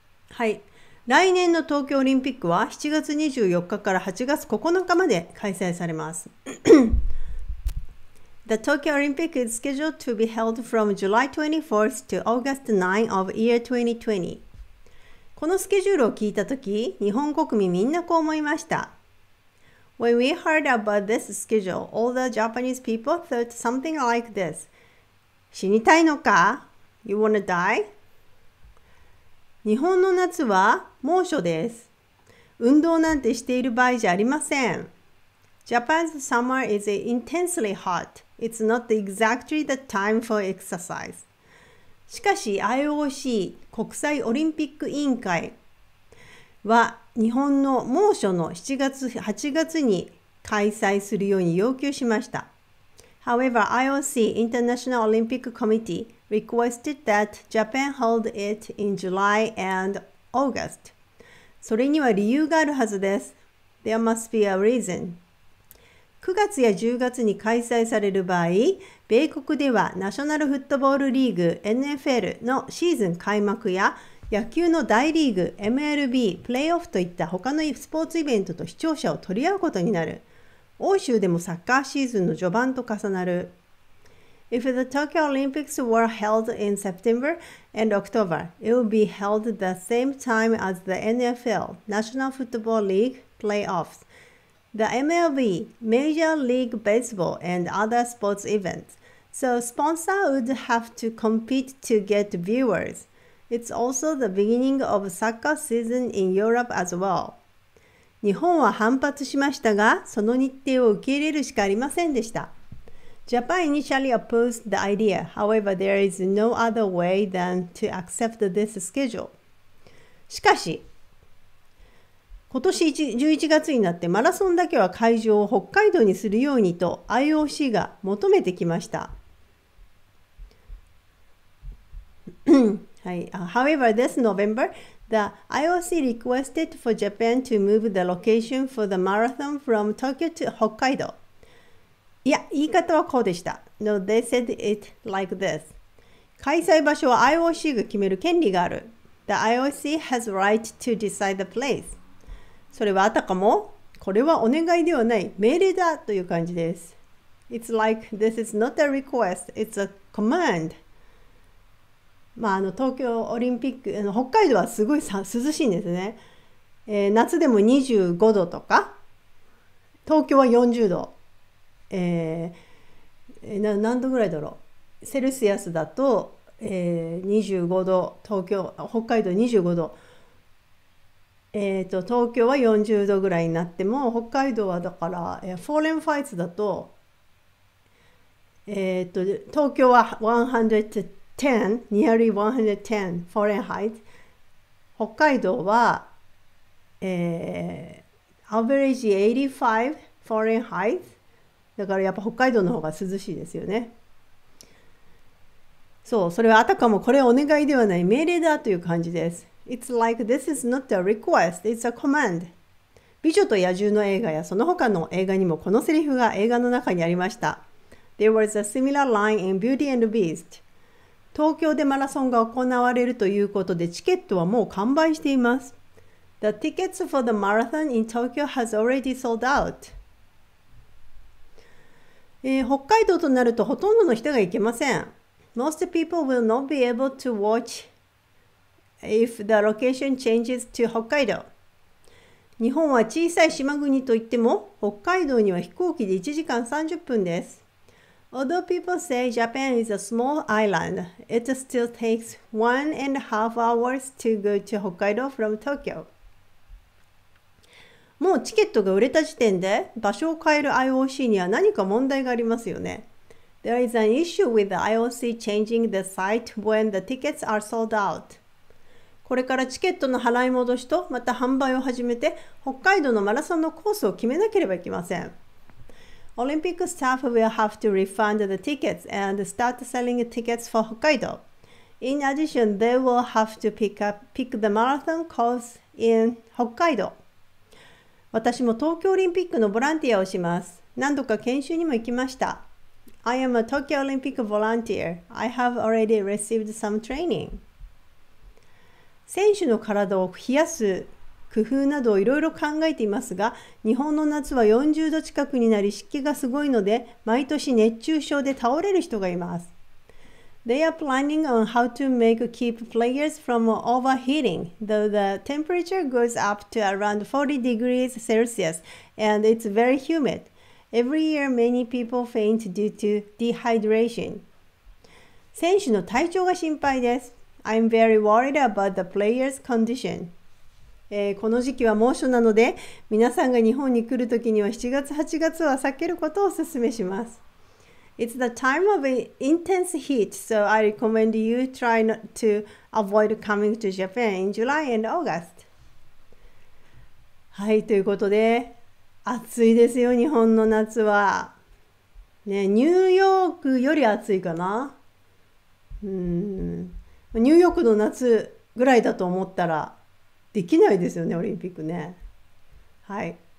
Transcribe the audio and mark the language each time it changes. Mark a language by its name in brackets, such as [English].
[Japanese] はい、来年の東京オリンピックは7月24日から8月9日まで開催されます。 [English] The Tokyo Olympic is scheduled to be held from July 24th to August 9th of year 2020. [Japanese] このスケジュールを聞いたとき、日本国民みんなこう思いました。 [English] When we heard about this schedule, all the Japanese people thought something like this. [Japanese] 死にたいのか? [English] You wanna die? [Japanese] 日本の夏は猛暑です。運動なんてしている場合じゃありません。 [English] Japan's summer is intensely hot. It's not exactly the time for exercise. [Japanese] しかし IOC 国際オリンピック委員会は日本の猛暑の7月、8月に開催するように要求しました。 [English] However, IOC International Olympic Committee requested that Japan hold it in July and August. [Japanese] それには理由があるはずです。 [English] There must be a reason. [Japanese] 9月や10月に開催される場合、米国ではナショナルフットボールリーグ NFL のシーズン開幕や野球の大リーグ MLB プレイオフといった他のスポーツイベントと視聴者を取り合うことになる。欧州でもサッカーシーズンの序盤と重なる。 [English] If the Tokyo Olympics were held in September and October, it would be held the same time as the NFL, National Football League, playoffs, the MLB, Major League Baseball, and other sports events. So sponsors would have to compete to get viewers. It's also the beginning of soccer season in Europe as well. [Japanese] 日本は反発しましたが、その日程を受け入れるしかありませんでした。 [English] Japan initially opposed the idea. However, there is no other way than to accept this schedule. [Japanese] しかし、今年11月になってマラソンだけは会場を北海道にするようにと IOC が求めてきました。 [English] はい、However, this November, the IOC requested for Japan to move the location for the marathon from Tokyo to Hokkaido. [Japanese] いや、言い方はこうでした。 [English] No, they said it like this. [Japanese] 開催場所は IOC が決める権利がある。 [English] The IOC has right to decide the place. [Japanese] それはあたかも、これはお願いではない、命令だという感じです。 [English] It's like this is not a request, it's a command. [Japanese] まあ、東京オリンピック、北海道はすごい涼しいんですね。夏でも25度とか、東京は40度。何度ぐらいだろう、セルシアスだと、25度、東京、北海道25度、東京は40度ぐらいになっても、北海道はだから、フォーレンファイツだと、東京は110フォーレンハイツ、北海道はアベレージ85フォーレンハイツ、だからやっぱ北海道の方が涼しいですよね。そう、それはあたかもこれお願いではない命令だという感じです。 [English] It's like this is not a request, it's a command. [Japanese] 美女と野獣の映画やその他の映画にもこのセリフが映画の中にありました。 [English] There was a similar line in Beauty and the Beast. [Japanese] 東京でマラソンが行われるということでチケットはもう完売しています。 [English] The tickets for the marathon in Tokyo has already sold out. [Japanese] 北海道となるとほとんどの人が行けません。 [English] Most people will not be able to watch if the location changes to Hokkaido. [Japanese] 日本は小さい島国といっても、北海道には飛行機で1時間30分です。 [English] Although people say Japan is a small island, it still takes 1.5 hours to go to Hokkaido from Tokyo. [Japanese] もうチケットが売れた時点で場所を変える IOC には何か問題がありますよね。 [English] There is an issue with the IOC changing the site when the tickets are sold out. こ [Japanese] これからチケットの払い戻しとまた販売を始めて北海道のマラソンのコースを決めなければいけません。オリンピックスタッフ [English] will have to refund the tickets and start selling tickets for Hokkaido. In addition, they will have to pick the marathon course in Hokkaido. [Japanese] 私も東京オリンピックのボランティアをします。何度か研修にも行きました。 [English] I am a Tokyo Olympic volunteer. I have already received some training. [Japanese] 選手の体を冷やす工夫などをいろいろ考えていますが、日本の夏は40度近くになり湿気がすごいので、毎年熱中症で倒れる人がいます。 [English] They are planning on how to make keep players from overheating, though the temperature goes up to around 40 degrees Celsius and it's very humid. Every year many people faint due to dehydration. [Japanese] 選手の体調が心配です。 [English] I'm very worried about the player's condition. [Japanese] この時期は猛暑なので、皆さんが日本に来るときには7月、8月は避けることをお勧めします。 [English] It's the time of intense heat, so I recommend you try not to avoid coming to Japan in July and August. [Japanese] はい、ということで、暑いですよ、日本の夏は。ね、ニューヨークより暑いかな。ニューヨークの夏ぐらいだと思ったら、できないですよね、オリンピックね。はい。